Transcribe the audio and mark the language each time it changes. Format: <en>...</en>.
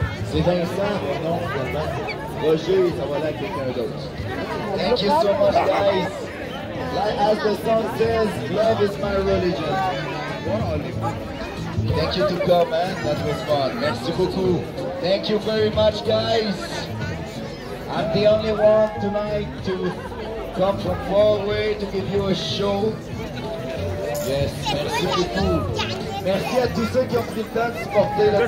<fr>C'est Vincent, mon nom, Roger, ça va là avec quelqu'un d'autre.</fr> <en>Thank you so much, guys! Like as the song says, love is my religion! Thank you to come, man, that was fun!</en> <fr>Merci beaucoup!</fr> <en>Thank you very much, guys! I'm the only one tonight to come from far away to give you a show.</en> <fr>Yes, merci beaucoup. Merci à tous ceux qui ont pris le temps de supporter la bière.</fr>